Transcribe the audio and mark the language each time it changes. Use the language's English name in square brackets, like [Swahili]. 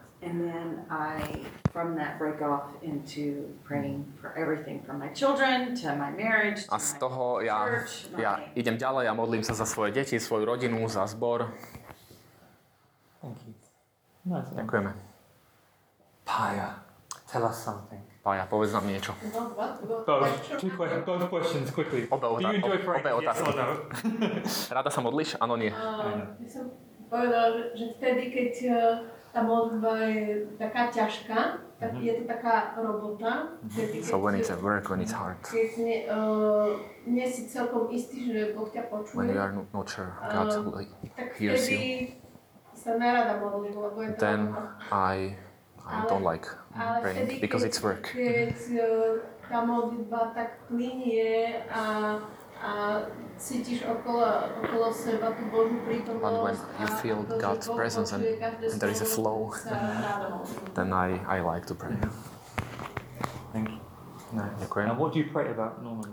[English] And then I from that break off into praying for everything from my children to my marriage to [Slovak] a z toho ja idem ďalej a modlím sa za svoje deti, svoju rodinu, za zbor. [English] Thank you. Nice. [Slovak] Ďakujeme. [English] Paja, tell us something. [Slovak] Paja, povedz nám niečo. [English] Both questions quickly. [Slovak] Obe otázky. Yes, rada sa modlíš? Áno, nie. Povedal, že vtedy, keď tá modlba je taká ťažká, tak je to taká robota. [English] So when it's a work, when it's hard. [Slovak] Keď nie si celkom istý, že Boh ťa počuje. [English] When you are not sure, God hears you. [Slovak] Tak vtedy sa nerada modlím, lebo je to robota. [English] Then I don't like praying, because it's work. [Slovak] Keď tá modlba tak plinie a cítiš okolo seba tú Božú prítomnosť. [English] And when you feel God's presence and there is a flow, then I like to pray. Thank you. [Slovak] No, ďakujem. [English] And what do you pray about normally?